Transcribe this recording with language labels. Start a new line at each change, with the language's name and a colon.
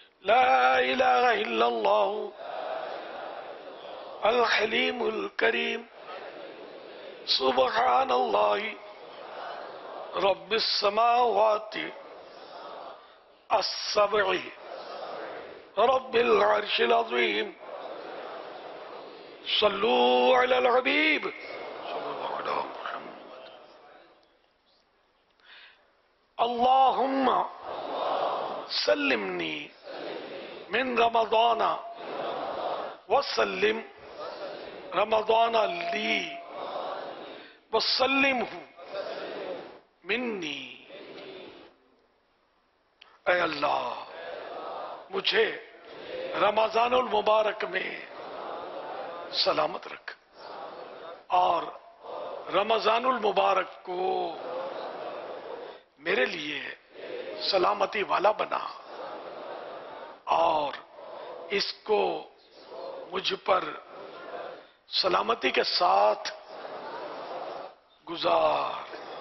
Arabic: لا الہ الا اللہ الحلیم الکریم سبحان اللہ رب السماوات السبع رب العرش العظیم. صلوا علی الحبیب صلی اللہ علیہ وسلم. اللهم سلمني من رمضان وسلم رمضان لي وسلمه مني.
Urdu: اے اللہ مجھے رمضان المبارک میں سلامت رکھ اور رمضان المبارک کو میرے لیے سلامتی والا بنا اور اس کو مجھ پر سلامتی کے ساتھ گزار.